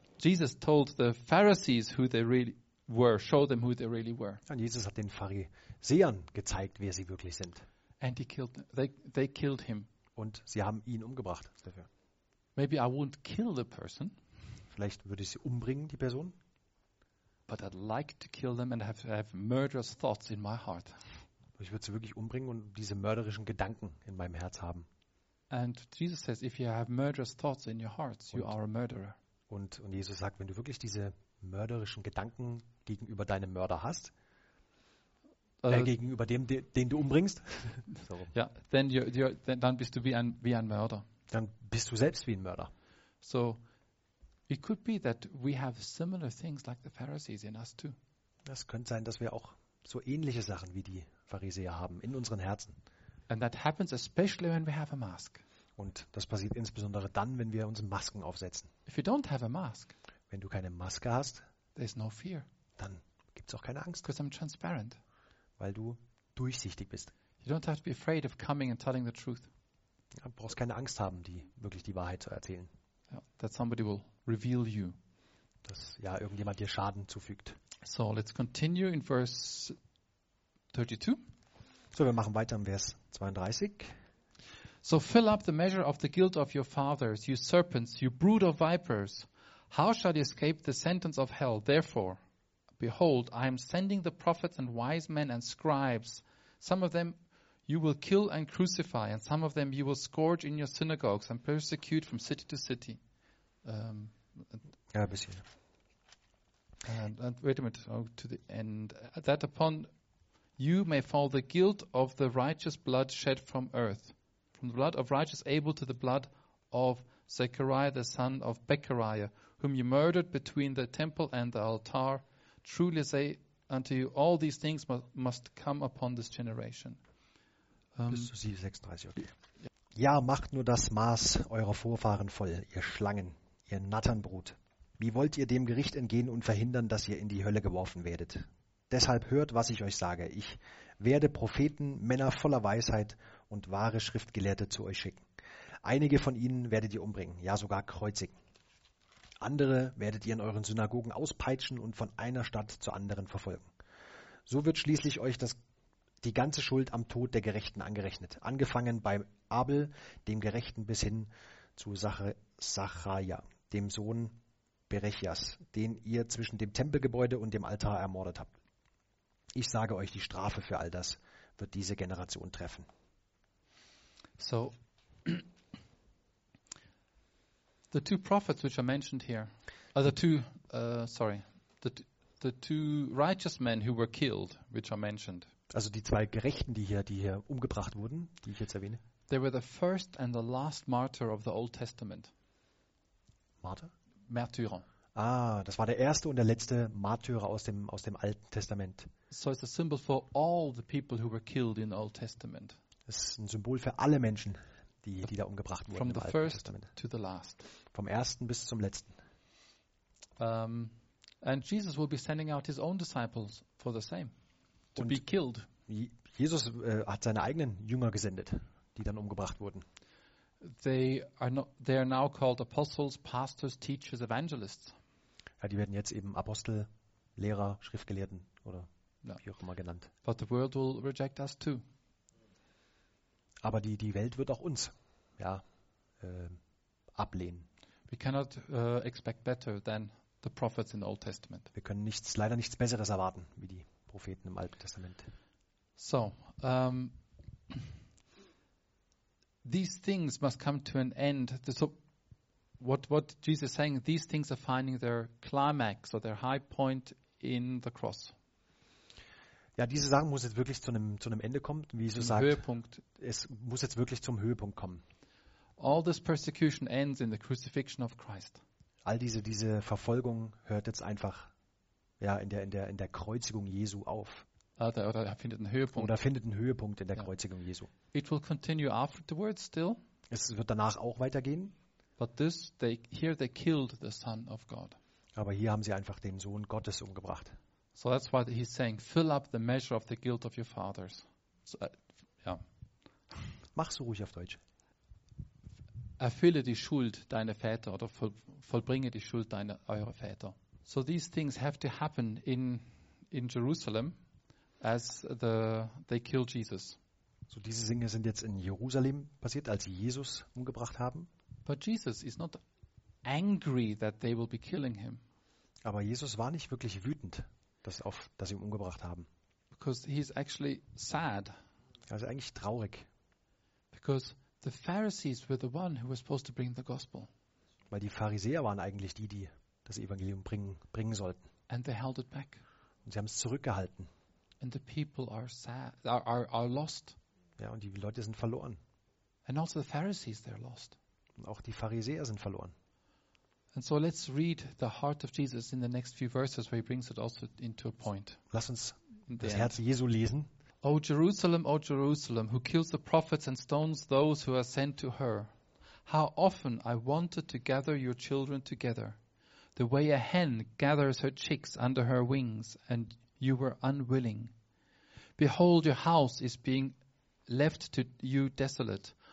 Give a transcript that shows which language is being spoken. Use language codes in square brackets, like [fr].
[en] Jesus told the Pharisees who they really were, showed them who they really were. [de] Und Jesus hat den Pharisäern gezeigt, wer sie wirklich sind. [en] And they killed him. [de] Und sie haben ihn umgebracht dafür. [en] Maybe I won't kill the person. [de] Vielleicht würde ich sie umbringen, die Person. [en] But I'd like to kill them and have murderous thoughts in my heart. [de] Ich würde sie wirklich umbringen und diese mörderischen Gedanken in meinem Herz haben. [en] And Jesus says, if you have murderous thoughts in your hearts, you are a murderer. [de] Und Jesus sagt, wenn du wirklich diese mörderischen Gedanken gegenüber deinem Mörder hast, gegenüber dem, den du umbringst, dann bist du wie ein Mörder. Dann bist du selbst wie ein Mörder. [en] So, it could be that we have similar things like the Pharisees in us too. [de] Das könnte sein, dass wir auch so ähnliche Sachen wie die Pharisäer haben in unseren Herzen. [en] And that happens especially when we have a mask. [de] Und das passiert insbesondere dann, wenn wir uns Masken aufsetzen. [en] If you don't have a mask, [de] wenn du keine Maske hast, [en] there's no fear. [de] Dann gibt es auch keine Angst. [en] Because I'm transparent. [de] Weil du durchsichtig bist. [en] You don't have to be afraid of coming and telling the truth. [de] Du brauchst keine Angst haben, die wirklich die Wahrheit zu erzählen. [en] Yeah, that somebody will reveal you. [de] Dass ja irgendjemand dir Schaden zufügt. [en] So, let's continue in verse 32. [de] So, wir machen weiter im Vers 32. [en] So fill up the measure of the guilt of your fathers, you serpents, you brood of vipers. How shall you escape the sentence of hell? Therefore, behold, I am sending the prophets and wise men and scribes. Some of them you will kill and crucify, and some of them you will scourge in your synagogues and persecute from city to city. [de] Ja, ein bisschen. [en] And wait a minute, oh, to the end. That upon you may fall the guilt of the righteous blood shed from earth. From the blood of righteous Abel to the blood of Zechariah, the son of Bechariah, whom you murdered between the temple and the altar. Truly say unto you, all these things must come upon this generation. [de] Bis zu 7:36, okay. Ja, macht nur das Maß eurer Vorfahren voll, ihr Schlangen, ihr Natternbrut. Wie wollt ihr dem Gericht entgehen und verhindern, dass ihr in die Hölle geworfen werdet? Deshalb hört, was ich euch sage. Ich werde Propheten, Männer voller Weisheit und wahre Schriftgelehrte zu euch schicken. Einige von ihnen werdet ihr umbringen, ja sogar kreuzigen. Andere werdet ihr in euren Synagogen auspeitschen und von einer Stadt zur anderen verfolgen. So wird schließlich euch die ganze Schuld am Tod der Gerechten angerechnet. Angefangen bei Abel, dem Gerechten, bis hin zu Zacharia, dem Sohn Berechias, den ihr zwischen dem Tempelgebäude und dem Altar ermordet habt. Ich sage euch, die Strafe für all das wird diese Generation treffen. [en] So, the two prophets which are mentioned here, the two righteous men who were killed, which are mentioned. [de] Also die zwei Gerechten, die hier umgebracht wurden, die ich jetzt erwähne. [en] They were the first and the last martyr of the Old Testament. Martyr? [de] Märtyrer. Ah, das war der erste und der letzte Märtyrer aus dem Alten Testament. [en] So it's a symbol for all the people who were killed in the Old Testament. [de] Es ist ein Symbol für alle Menschen, die da umgebracht wurden im Alten Testament. [en] From the first to the last. [de] Vom ersten bis zum letzten. [en] And Jesus will be sending out his own disciples for the same to be killed. [de] Jesus hat seine eigenen Jünger gesendet, die dann umgebracht wurden. [en] They are now called apostles, pastors, teachers, evangelists. [de] Ja, die werden jetzt eben Apostel, Lehrer, Schriftgelehrten oder wie auch immer genannt. [en] But the world will reject us too. [de] Aber die Welt wird auch uns, ablehnen. [en] We cannot expect better than the prophets in the Old Testament. [de] Wir können leider nichts Besseres erwarten wie die Propheten im Alten Testament. [en] So. These things must come to an end. So what Jesus is saying, these things are finding their climax or their high point in the cross. [de] Ja, diese Sache muss jetzt wirklich zu einem Ende kommen, wie Jesus sagt. Höhepunkt. Es muss jetzt wirklich zum Höhepunkt kommen. [en] All this persecution ends in the crucifixion of Christ. [de] All diese Verfolgung hört jetzt einfach in der Kreuzigung Jesu auf. Oder findet einen Höhepunkt in der Kreuzigung Jesu. [en] It will continue afterwards still. [de] Es wird danach auch weitergehen. [en] But this, here they killed the Son of God. [de] Aber hier haben sie einfach den Sohn Gottes umgebracht. [en] So that's why he's saying, fill up the measure of the guilt of your fathers. [de] So, Mach's ruhig auf Deutsch. Erfülle die Schuld deiner Väter oder vollbringe die Schuld eurer Väter. [en] So these things have to happen in Jerusalem. As they killed Jesus. [de] So diese Dinge sind jetzt in Jerusalem passiert, als sie Jesus umgebracht haben. [en] But Jesus is not angry that they will be killing him. [de] Aber Jesus war nicht wirklich wütend, dass sie ihn umgebracht haben. [en] Because he is actually sad. [de] Also eigentlich traurig. [en] Because the Pharisees were the one who was supposed to bring the gospel. [de] Weil die Pharisäer waren eigentlich die das Evangelium bringen sollten. [en] And they held it back. [de] Und sie haben es zurückgehalten. [en] And the people are sad, are lost. [de] Ja, und die Leute sind verloren. [en] And also the Pharisees, they're lost. [de] Und auch die Pharisäer sind verloren. [en] And so let's read the heart of Jesus in the next few verses where he brings it also into a point. [de] Lass uns das Herz Jesu lesen. [en] O Jerusalem, O Jerusalem, who kills the prophets and stones those who are sent to her. How often I wanted to gather your children together, the way a hen gathers her chicks under her wings, and you were unwilling. Behold, your house is being left to you desolate.